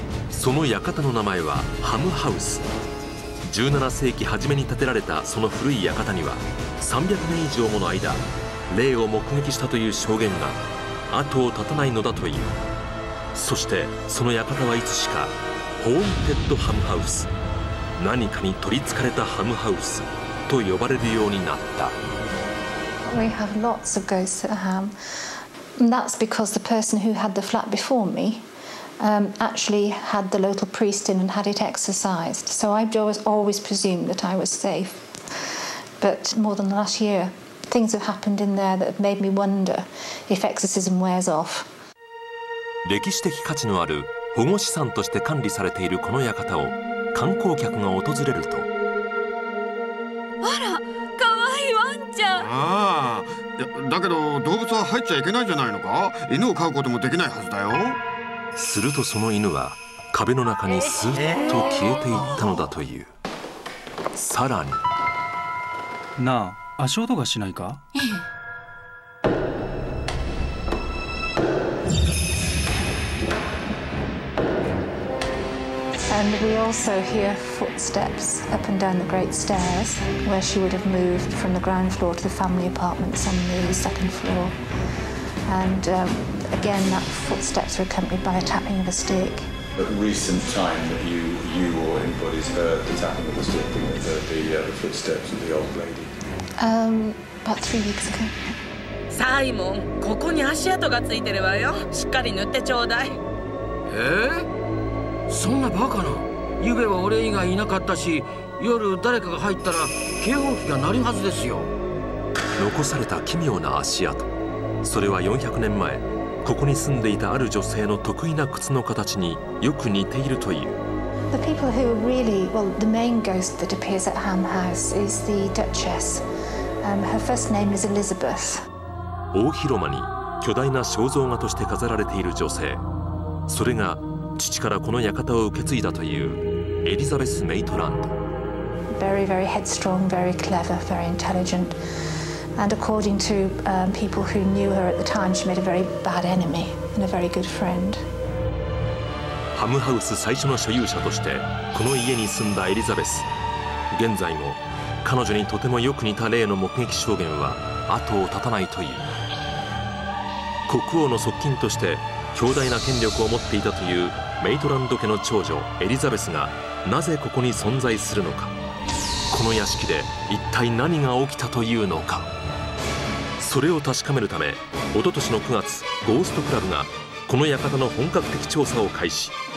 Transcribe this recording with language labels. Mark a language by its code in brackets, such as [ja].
[ja] その館の名前はハムハウス。17世紀初めに建てられたその古い館には、300年以上もの間霊を目撃したという証言が後を絶たないのだという。そしてその館はいつしかホーンテッドハムハウス、何かに取り憑かれたハムハウスと呼ばれるようになった。 [en] We have lots of ghosts at Ham. That's because the person who had the flat before me actually had the local priest in and had it exorcised. So I've always presumed that I was safe. But more than the last year, things have happened in there that have made me wonder if exorcism wears off. [ja] 歴史的価値のある保護資産として管理されているこの館を観光客が訪れると、あら、かわいいワンちゃん。ああ、だけど動物は入っちゃいけないじゃないのか。犬を飼うこともできないはずだよ。するとその犬は壁の中にスッと消えていったのだという。さらに、なあ、足音がしないか。 [en] And we also hear footsteps up and down the great stairs where she would have moved from the ground floor to the family apartments on the second floor. And again, that footsteps were accompanied by a tapping of a stick. At recent time that you or anybody's heard the tapping of the stick and the footsteps of the old lady? About 3 weeks ago. [ja] Simon, ここに足跡がついてるわよ。しっかり塗ってちょうだい。そんなバカな。ゆべは俺以外いなかったし、夜誰かが入ったら警報器が鳴るはずですよ。残された奇妙な足跡、それは400年前ここに住んでいたある女性の得意な靴の形によく似ているという。 [en] The people who really, well, the main ghost that appears at Ham House is the Duchess. Her first name is Elizabeth. [ja] 大広間に巨大な肖像画として飾られている女性、それが父からこの館を受け継いだというエリザベス・メイトランド。 [en] Very, very headstrong, very clever, very intelligent. And according to people who knew her at the time, she made a very bad enemy and a very good friend. [ja] ハムハウス最初の所有者としてこの家に住んだエリザベス。現在も彼女にとてもよく似た例の目撃証言は後を絶たないという。国王の側近として強大な権力を持っていたというメイトランド家の長女エリザベスがなぜここに存在するのか、この屋敷で一体何が起きたというのか、それを確かめるため一昨年の9月、ゴーストクラブがこの館の本格的調査を開始。